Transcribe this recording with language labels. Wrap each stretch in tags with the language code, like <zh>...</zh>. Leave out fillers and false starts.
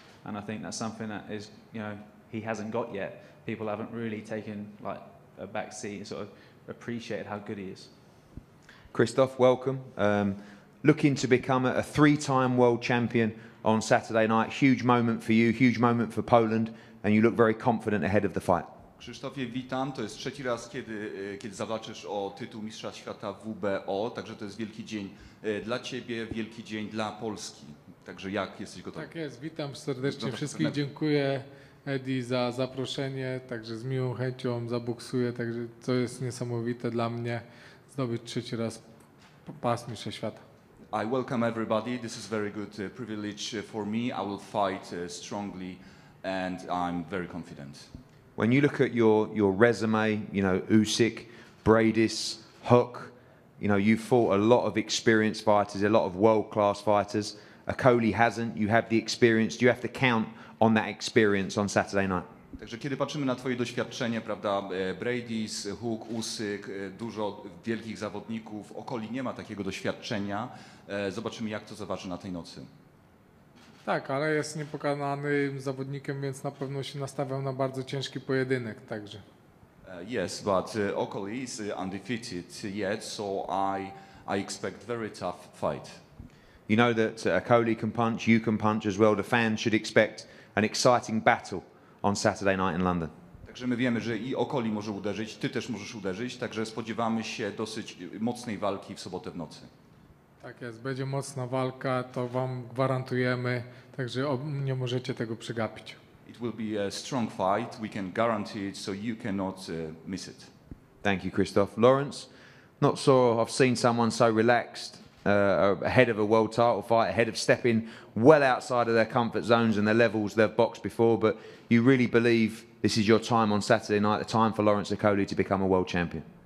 <en>And I think that's something that is, you know, he hasn't got yet. People haven't really taken like a back seat and sort of appreciated how good he is. Christoph, welcome. Looking to become a three-time world champion on Saturday night. Huge moment for you, huge moment for Poland. And you look very confident ahead of the fight.</en> <pl>Krzysztofie, witam. To jest trzeci raz, kiedy zawalczysz o tytuł Mistrza Świata WBO, także to jest wielki dzień dla Ciebie, wielki dzień dla Polski. Także jak jesteś gotowy? Tak jest, witam serdecznie wszystkich. Dziękuję, Edi, za zaproszenie, także z miłą chęcią zaboksuję, także to jest niesamowite dla mnie, zdobyć trzeci raz pas Mistrza Świata.</pl> <en>I welcome everybody. This is very good privilege for me. I will fight strongly and I'm very confident. When you look at your resume, you know, Usyk, Bradis, Hook, you know, you've fought a lot of experienced fighters, a lot of world-class fighters. Okolie hasn't, you have the experience. Do you have to count on that experience on Saturday night?</en> <pl>Także kiedy patrzymy na twoje doświadczenie, prawda, Bradis, Hook, Usyk, dużo wielkich zawodników, Okolie nie ma takiego doświadczenia. Zobaczymy, jak to zaważy na tej nocy. Tak, ale jest niepokonanym zawodnikiem, więc na pewno się nastawiał na bardzo ciężki pojedynek także.</pl> <en>Yes, but Okolie is undefeated yet, so I expect very tough fight. You know that Akoli can punch, you can punch as well. The fans should expect an exciting battle on Saturday night in London.</en> <pl>Także my wiemy, że i Akoli może uderzyć, ty też możesz uderzyć, także spodziewamy się dosyć mocnej walki w sobotę w nocy. Tak jest, będzie mocna walka, to wam gwarantujemy, także nie możecie tego przegapić.</pl> <en>It will be a strong fight, we can guarantee it, so you cannot miss it. Thank you, Christoph. Lawrence, not so, I've seen someone so relaxed ahead of a world title fight, ahead of stepping well outside of their comfort zones and the levels they've boxed before, but you really believe this is your time on Saturday night, the time for Lawrence Akoli to become a world champion.</en>